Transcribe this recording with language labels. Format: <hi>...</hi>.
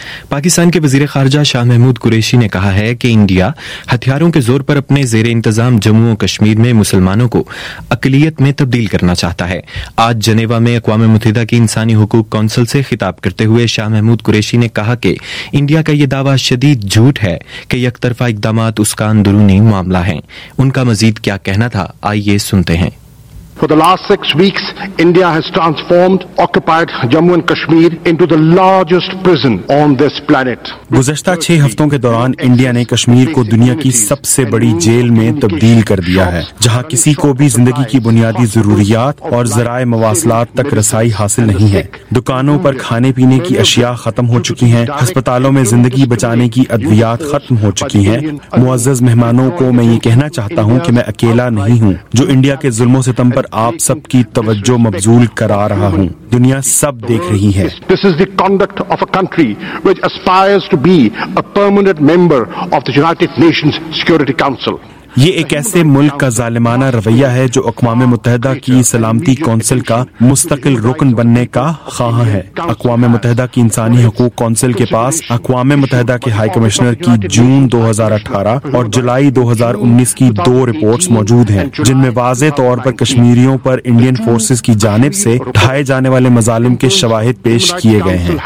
<ur>پاکستان کے وزیر خارجہ شاہ محمود قریشی نے کہا ہے کہ انڈیا ہتھیاروں کے زور پر اپنے زیر انتظام جموں و کشمیر میں مسلمانوں کو اقلیت میں تبدیل کرنا چاہتا ہے. آج جنیوا میں اقوام متحدہ کی انسانی حقوق کونسل سے خطاب کرتے ہوئے شاہ محمود قریشی نے کہا کہ انڈیا کا یہ دعویٰ شدید جھوٹ ہے کہ یک طرفہ اقدامات اس کا اندرونی معاملہ ہیں. ان کا مزید کیا کہنا تھا, آئیے سنتے ہیں.</ur> <en>For the last 6 weeks, India has transformed occupied Jammu and Kashmir into the largest prison on this planet.</en> <ur>گزشتہ 6 ہفتوں کے دوران انڈیا نے کشمیر کو دنیا کی سب سے بڑی جیل میں تبدیل کر دیا ہے، جہاں کسی کو بھی زندگی کی بنیادی ضروریات اور ذرائع مواصلات تک رسائی حاصل نہیں ہے. دکانوں پر کھانے پینے کی اشیاء ختم ہو چکی ہیں، ہسپتالوں میں زندگی بچانے کی ادویات ختم ہو چکی ہیں. معزز مہمانوں کو میں یہ کہنا چاہتا ہوں کہ میں اکیلا نہیں ہوں جو انڈیا کے ظلم و ستم پر آپ سب کی توجہ مبذول کرا رہا ہوں. دنیا سب دیکھ رہی ہے.</ur> <en>This is the conduct of a country which aspires to be a permanent member of the United Nations Security Council.</en> <ur>یہ ایک ایسے ملک کا ظالمانہ رویہ ہے جو اقوام متحدہ کی سلامتی کونسل کا مستقل رکن بننے کا خواہاں ہے. اقوام متحدہ کی انسانی حقوق کونسل کے پاس اقوام متحدہ کے ہائی کمشنر کی جون 2018 اور جولائی 2019 کی دو رپورٹس موجود ہیں، جن میں واضح طور پر کشمیریوں پر انڈین فورسز کی جانب سے ڈھائے جانے والے مظالم کے شواہد پیش کیے گئے ہیں.</ur>